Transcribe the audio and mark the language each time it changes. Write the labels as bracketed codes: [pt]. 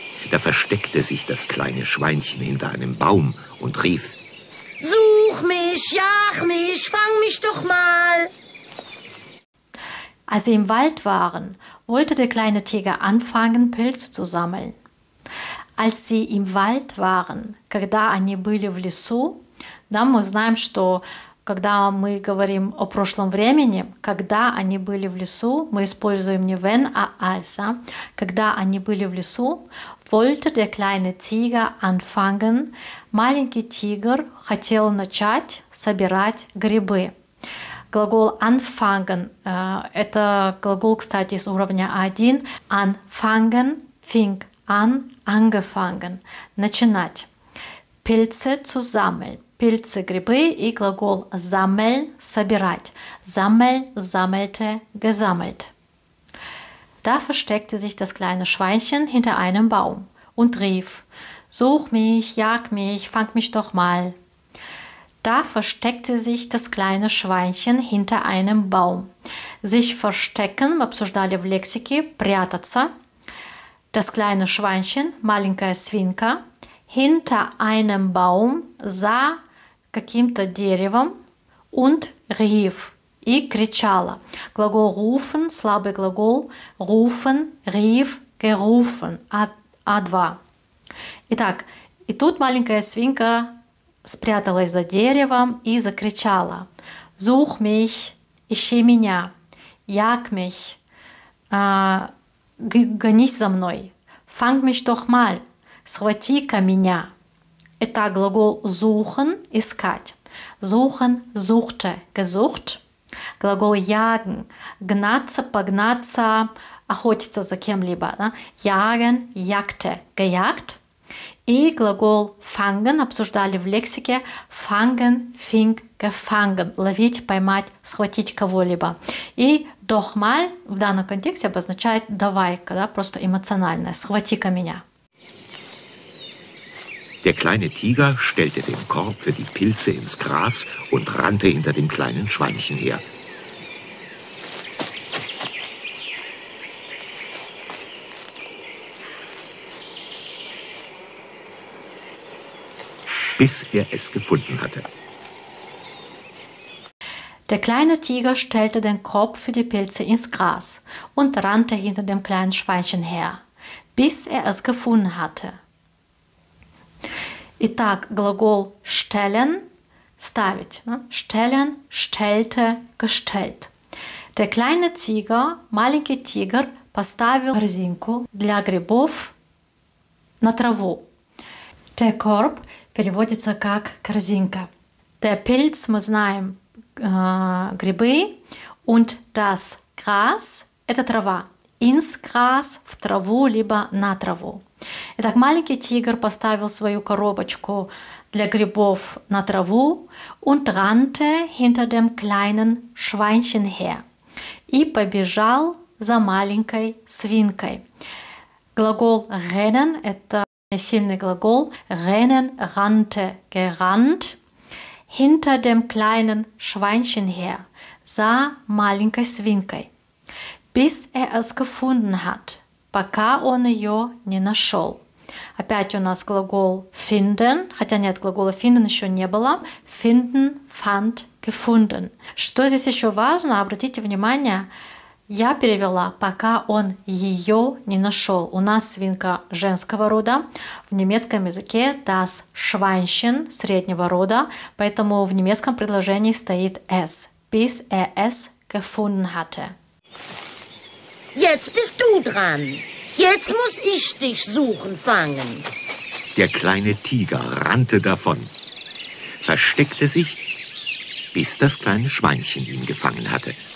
[de] Da versteckte sich das kleine Schweinchen hinter einem Baum und rief: Such mich, jag mich, fang mich doch mal! Als sie im Wald waren, wollte der kleine Tiger anfangen, Pilze zu sammeln. Als sie im Wald waren, [ru] когда они были в лесу, да, мы знаем, что когда мы говорим о прошлом времени, когда они были в лесу, мы используем не wenn, а als. Когда они были в лесу, [de] wollte der kleine Tiger anfangen, [ru] маленький тигр хотел начать собирать грибы. Глагол anfangen, это глагол, кстати, из уровня A1. [de] Anfangen, fing an, angefangen, начинать. Пильцы zu sammeln. [ru] Пильцы, грибы и глагол sammeln, собирать. [de] Sammeln, sammelte, gesammelt. Da versteckte sich das kleine Schweinchen hinter einem Baum und rief: Such mich, jag mich, fang mich doch mal. Da versteckte sich das kleine Schweinchen hinter einem Baum. Sich verstecken, [ru] мы обсуждали в лексике, прятаться. [de] Das kleine Schweinchen, [ru] маленькая свинка, [de] hinter einem Baum, [ru] за каким-то деревом, [de] und rief. [ru] И кричала. [de] Глагол rufen, [ru] слабый глагол, [de] rufen, rief, gerufen, A2. [ru] Итак, и тут маленькая свинка спряталась за деревом и закричала. [de] Such mich, [ru] ищи меня, [de] jag mich, [ru] гонись за мной, [de] fang mich doch mal, [ru] схвати-ка меня. Итак, глагол suchen, искать. [de] Suchen, suchte, gesucht. [ru] Глагол jagen, гнаться, погнаться, охотиться за кем-либо. [de] Да? Jagen, jagte, gejagt. [ru] И глагол fangen, обсуждали в лексике, [de] fangen, fing, gefangen, [ru] ловить, поймать, схватить кого-либо. И doch mal в данном контексте обозначает давай-ка, да? Просто эмоциональное, схвати-ка меня. [de] Der kleine Tiger stellte den Korb für die Pilze ins Gras und rannte hinter dem kleinen Schweinchen her. Bis er es gefunden hatte. Der kleine Tiger stellte den Korb für die Pilze ins Gras und rannte hinter dem kleinen Schweinchen her, bis er es gefunden hatte. [ru] Итак, глагол stellen – ставить. [de] Ne? Stellen, stellte, gestellt. Der kleine Tiger, [ru] маленький тигр, поставил корзинку для грибов на траву. Der Korb переводится как корзинка. Der Pilz, мы знаем, грибы. [de] Und das Gras [ru] – это трава. [de] Ins Gras [ru] – в траву, либо на траву. Итак, маленький тигр поставил свою коробочку для грибов на траву [de] und rannte hinter dem kleinen Schweinchen her. [ru] И побежал за маленькой свинкой. Глагол rennen – это сильный глагол. [de] Rennen, rannte, gerannt. Hinter dem kleinen Schweinchen her. [ru] За маленькой свинкой. [de] Bis es gefunden hat. [ru] Пока он ее не нашел. Опять у нас глагол finden, хотя нет, глагола finden еще не было. [de] Finden, fand, gefunden. [ru] Что здесь еще важно, обратите внимание, я перевела, пока он ее не нашел. У нас свинка женского рода, в немецком языке [de] das Schweinchen [ru] среднего рода, поэтому в немецком предложении стоит es, [de] bis es gefunden hatte. Jetzt bist du dran. Jetzt muss ich dich suchen fangen. Der kleine Tiger rannte davon, versteckte sich, bis das kleine Schweinchen ihn gefangen hatte.